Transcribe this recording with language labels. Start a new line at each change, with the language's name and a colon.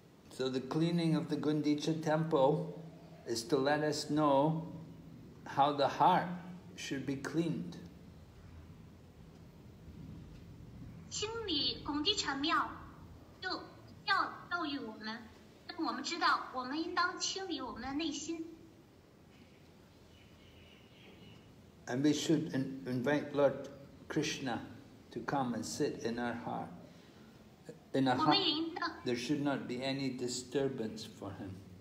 English: So the cleaning of the Gundicha temple is to let us know how the heart should be cleaned.
Chinese: 清理贡地城庙就要教育我们，让我们知道我们应当清理我们的内心。
English: And we should invite Lord Krishna to come and sit in our heart. In a heart, there should not be any disturbance for him.